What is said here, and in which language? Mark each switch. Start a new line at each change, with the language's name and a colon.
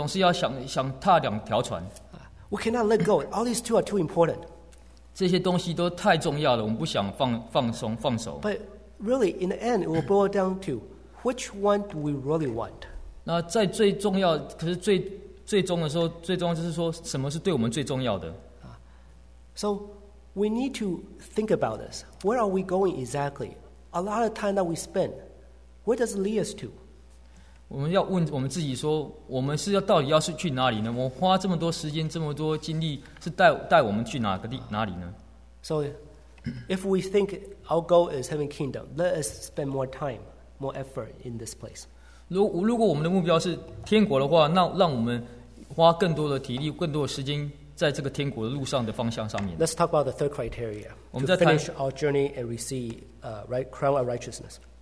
Chinese: 这问题是说你要选一个，只能选一个。但是我们人总是要想踏两条船。
English: We cannot let go. All these two are too important.
Chinese: 这些东西都太重要了，我们不想放松放手。
English: But really, in the end, it will boil down to which one do we really want?
Chinese: 那在最重要，可是最终的时候，最重要就是说什么是对我们最重要的。
English: So. We need to think about this. Where are we going exactly? A lot of time that we spend, where does it lead us to?
Chinese: 我们要问我们自己说，我们是要到底要是去哪里呢？我花这么多时间，这么多精力，是带我们去哪个地哪里呢？
English: So, if we think our goal is heaven kingdom, let us spend more time, more effort in this place.
Chinese: 如果我们的目标是天国的话，那让我们花更多的体力，更多的时间。在这个天国路上的方向上面,
English: let's talk about the third criteria to finish our journey and receive crown of righteousness.